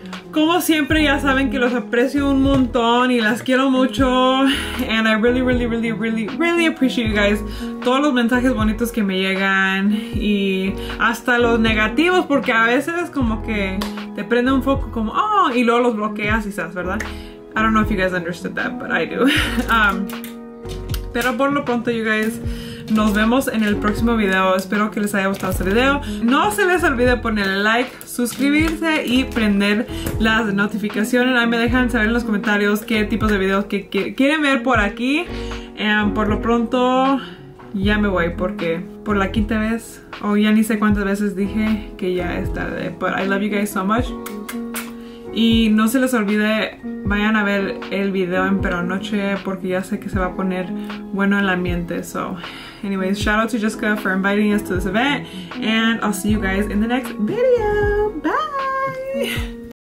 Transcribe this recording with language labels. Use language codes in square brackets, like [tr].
[es] Como siempre, ya saben que los aprecio un montón y las quiero mucho. [en] And I really, really, really, really, really appreciate you guys. [es] Todos los mensajes bonitos que me llegan y hasta los negativos, porque a veces como que te prende un foco como, oh, y luego los bloqueas y sabes, ¿verdad? [en] I don't know if you guys understood that, but I do. [es] Pero por lo pronto, [en] you guys, [es] nos vemos en el próximo video. Espero que les haya gustado este video. No se les olvide ponerle like, suscribirse y prender las notificaciones. Ahí me dejan saber en los comentarios qué tipos de videos que quieren ver por aquí. Por lo pronto, ya me voy porque por la quinta vez, ya ni sé cuántas veces dije que ya es tarde. [en] But I love you guys so much. [es] Y no se les olvide, vayan a ver el video en Pero Anoche porque ya sé que se va a poner bueno el ambiente. [en] So, anyways, shout out to Jessica for inviting us to this event. And I'll see you guys in the next video. Bye!